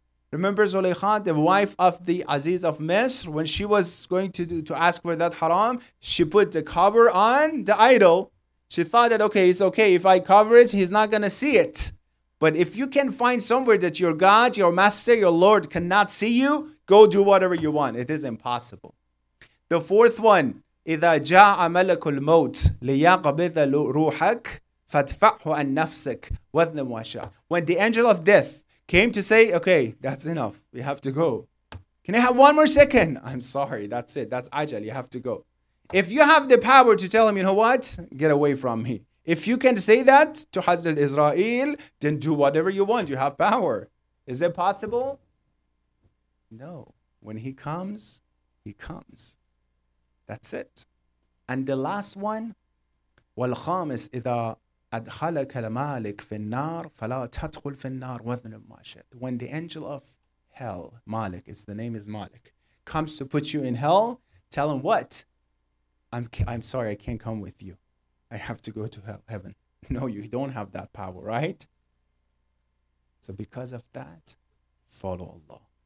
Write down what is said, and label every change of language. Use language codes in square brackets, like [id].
[en] Remember Zulaykha, the wife of the Aziz of Misr, when she was going to ask for that haram, she put the cover on the idol. She thought that, okay, it's okay. If I cover it, he's not going to see it. But if you can find somewhere that your God, your master, your Lord cannot see you, go do whatever you want. It is impossible. The fourth one, [ar] إِذَا جَاءَ مَلَكُ الْمَوْتِ لِيَقْبِذَ رُوحَكَ فَادْفَعْهُ عَنْ نَفْسِكَ وَذْنِبْ مَا شِئْتَ. [en] When the angel of death came to say, okay, that's enough. We have to go. Can I have one more second? I'm sorry. That's it. That's ajal. You have to go. If you have the power to tell him, you know what? Get away from me. If you can say that to Hazrat Israel, then do whatever you want. You have power. Is it possible? No, when he comes, he comes. That's it. And the last one, [ar] والخامس إذا أدخلك المالك في النار فلا تدخل في النار وذنب ما شئت. [en] When the angel of hell, Malik, is the name is Malik, comes to put you in hell, tell him what? I'm sorry, I can't come with you. I have to go to hell, heaven. No, you don't have that power, right? So because of that, follow Allah.